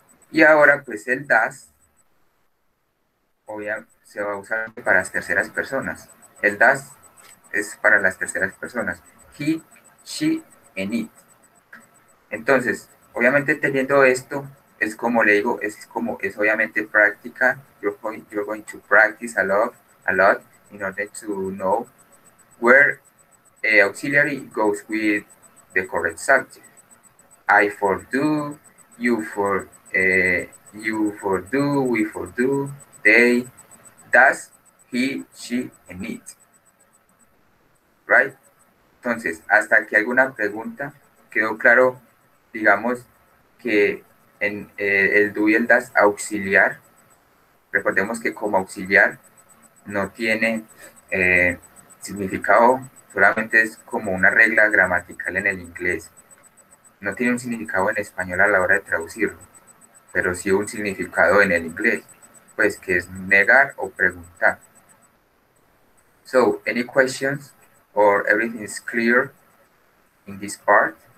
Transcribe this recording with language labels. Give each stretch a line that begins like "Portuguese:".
Spanish: Y ahora, pues, el does obviamente se va a usar para las terceras personas. El does es para las terceras personas.
English: He, she, and it.
Spanish: Entonces, obviamente teniendo esto, es como le digo, es obviamente práctica.
English: You're going to practice a lot in order to know where a auxiliary goes with the correct subject. I for do, you for do, we for do, they, does, he, she, and it. Right?
Spanish: Entonces, hasta aquí alguna pregunta, quedó claro, digamos, que en el do y el does auxiliar, recordemos que como auxiliar no tiene significado, solamente es como una regla gramatical en el inglés. No tiene un significado en español a la hora de traducirlo, pero sí un significado en el inglés, pues que es negar o preguntar.
English: So, any questions or everything is clear in this part?